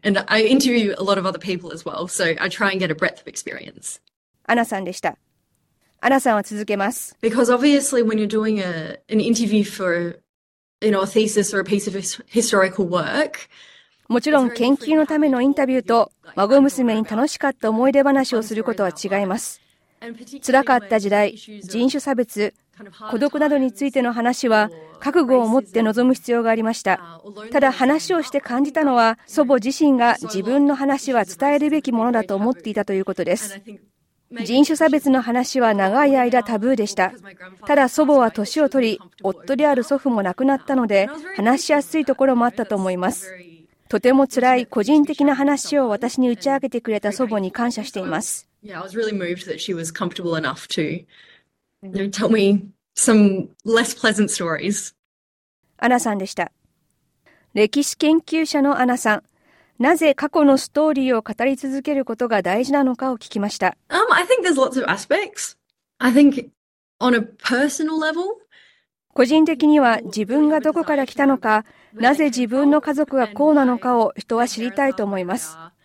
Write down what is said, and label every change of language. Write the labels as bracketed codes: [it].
[en] And I interview a lot of other people as well, so I try and get a breadth of experience. [ja] アナさんでした。アナさんは続けます。 [en] Because obviously when you're doing an interview for, you know, a thesis or a piece of historical work, [ja] もちろん研究のためのインタビューと孫娘に楽しかった思い出話をすることは違います。辛かった時代、人種差別、孤独などについての話は覚悟を持って臨む必要がありました。ただ話をして感じたのは、祖母自身が自分の話は伝えるべきものだと思っていたということです。人種差別の話は長い間タブーでした。ただ祖母は年を取り、夫である祖父も亡くなったので話しやすいところもあったと思います。とても辛い個人的な話を私に打ち明けてくれた祖母に感謝しています。 [en] Yeah, I was really moved that she was comfortable enough to tell me some less pleasant stories. [ja] アナさんでした。歴史研究者のアナさん、なぜ過去のストーリーを語り続けることが大事なのかを聞きました。 [en] I think there's lots of aspects. I think on a personal level, [ja] 個人的には自分がどこから来たのか、なぜ自分の家族がこうなのかを人は知りたいと思います。